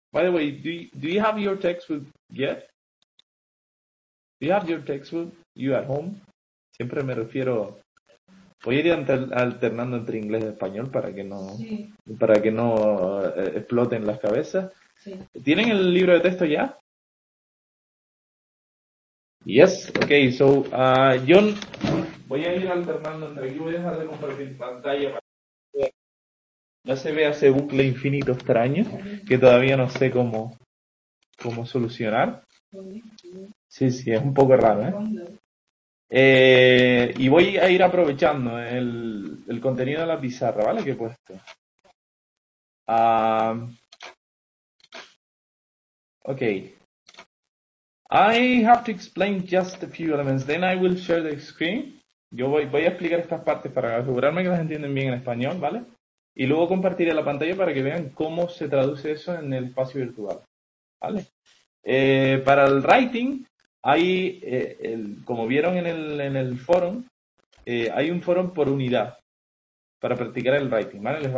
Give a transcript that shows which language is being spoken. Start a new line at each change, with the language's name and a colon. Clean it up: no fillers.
English: By the way, do you have your textbook yet? Do you have your textbook? You at home?
Spanish: Siempre me refiero, voy a ir alternando entre inglés y español para que no, sí, para que no exploten las cabezas. Sí. ¿Tienen el libro de texto ya?
English: Yes, okay, so John,
Spanish: voy a ir alternando entre, aquí voy a dejar de compartir pantalla para que no se vea ese bucle infinito extraño que todavía no sé cómo solucionar. Sí, sí, es un poco raro, ¿eh? Y voy a ir aprovechando el contenido de la pizarra, ¿vale? Que he puesto.
English: Okay. I have to explain just a few elements, then I will share the screen.
Spanish: Yo voy a explicar estas partes para asegurarme que las entienden bien en español, ¿vale? Y luego compartiré la pantalla para que vean cómo se traduce eso en el espacio virtual, ¿vale? Para el writing, hay, como vieron en el forum, hay un forum por unidad para practicar el writing, ¿vale?